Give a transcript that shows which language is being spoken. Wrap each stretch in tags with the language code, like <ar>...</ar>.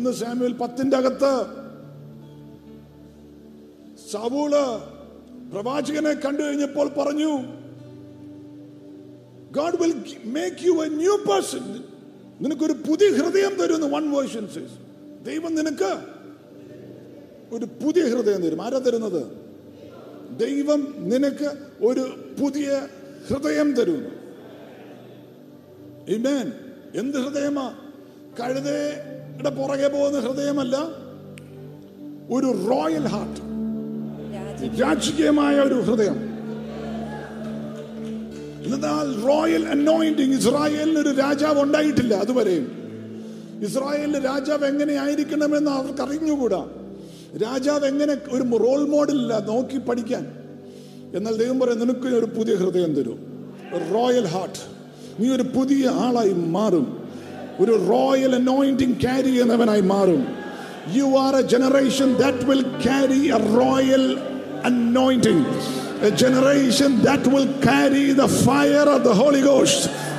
<en>1 Samuel 10</en> <ml>സൗല് പ്രവാചകനെ കണ്ടു കഴിഞ്ഞപ്പോൾ പറഞ്ഞു,</ml> <en>God will make you a new person.</en> <ml>നിനക്കൊരു പുതിയ ഹൃദയം തരുന്നു. 1</ml> <en>Version says</en> <ml>ദൈവം നിനക്ക് ഒരു പുതിയ ഹൃദയം തരും. ആരാ തരുന്നത്? ദൈവം നിനക്ക് ഒരു പുതിയ ഹൃദയം തരുന്നു. ആമേൻ. എന്ത് ഹൃദയമാ? കഴുതയുടെ പുറകെ പോകുന്ന ഹൃദയമല്ല, ഒരു</ml> <en>royal heart,</en> <ml>രാജകീയമായ ഒരു ഹൃദയം. എന്നാൽ റോയൽ അനോയിന്റിങ് ഇസ്രായേലിന് ഒരു രാജാവ് ഉണ്ടായിട്ടില്ല അതുവരെയും. ഇസ്രായേലിന്റെ രാജാവ് എങ്ങനെയായിരിക്കണമെന്ന് അവർക്ക് അറിഞ്ഞുകൂടാ. രാജാവ് എങ്ങനെ ഒരു റോൾ മോഡൽ ഇല്ല നോക്കി പഠിക്കാൻ. എന്നാൽ ദൈവം പറയും, നിനക്ക് ഒരു പുതിയ ഹൃദയം തരും,</ml> <en>Royal heart.</en> <ml>നീ ഒരു പുതിയ ആളായി മാറും, ഒരു റോയൽ അനോയിന്റിങ് ക്യാരി ചെയ്യുന്നവനായി മാറും.</ml> <en>You are a generation that will carry a royal anointing. A generation that will carry the fire of the Holy Ghost.</en>